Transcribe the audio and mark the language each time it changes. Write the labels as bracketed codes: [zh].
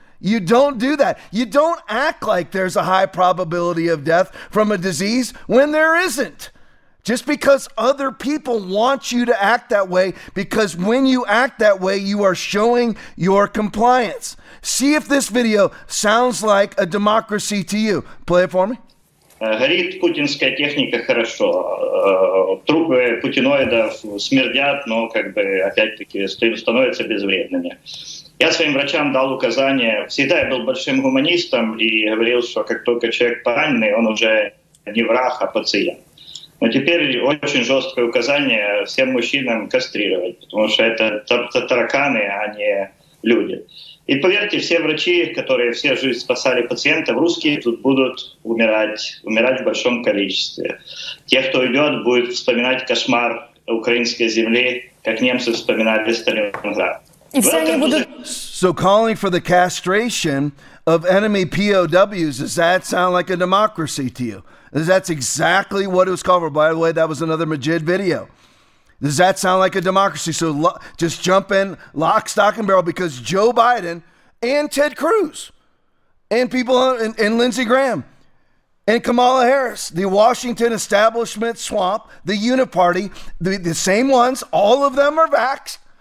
[en] You don't do that. You don't act like there's a high probability of death from a disease when there isn't. Just because other people want you to act that way, because when you act that way, you are showing your compliance. See if this video sounds like a democracy to you. Play it for me. [ru] Горит путинская техника хорошо. Трупы путиноидов смердят, но как бы опять-таки становятся безвредными. Я своим врачам дал указание. Всегда я был большим гуманистом и говорил, что как только человек пораненный, он уже не враг, а пациент. Но теперь очень жесткое указание всем мужчинам кастрировать, потому что это тараканы, а не люди. И поверьте, все врачи, которые всю жизнь спасали пациентов, русские тут будут умирать в большом количестве. Те, кто уйдет, будут вспоминать кошмар украинской земли, как немцы вспоминали Сталинград. И все они будут... [en] So calling for the castration of enemy POWs, does that sound like a democracy to you? That's exactly what it was called for. By the way, that was another Majid video. Does that sound like a democracy? So just jump in, lock, stock, and barrel, because Joe Biden and Ted Cruz and people and Lindsey Graham and Kamala Harris, the Washington establishment swamp, the Uniparty, the same ones, all of them are vaxxed.